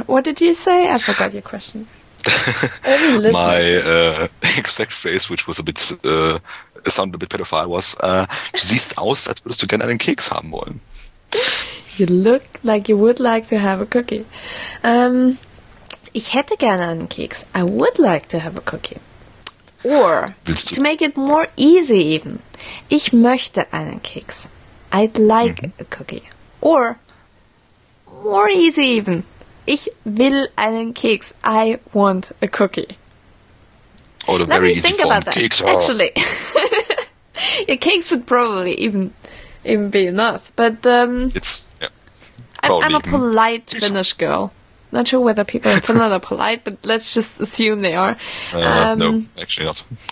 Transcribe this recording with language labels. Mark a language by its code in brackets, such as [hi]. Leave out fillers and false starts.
[en] What did you say? I forgot your question. My exact phrase, which was a bit sounded a bit pedophile, was [de] du siehst aus, als würdest du gerne einen Keks haben wollen. [en] You look like you would like to have a cookie. [de] Ich hätte gerne einen Keks. [en] I would like to have a cookie. Or, to make it more easy even, [de] ich möchte einen Keks. [en] I'd like a cookie. Or, more easy even, [de] ich will einen Keks. [en] I want a cookie. Or the very easy form, keks are... Actually, yeah, keks would probably even be enough. But, I'm a polite Finnish girl. Not sure whether people in Finland are polite, but let's just assume they are. No, actually not.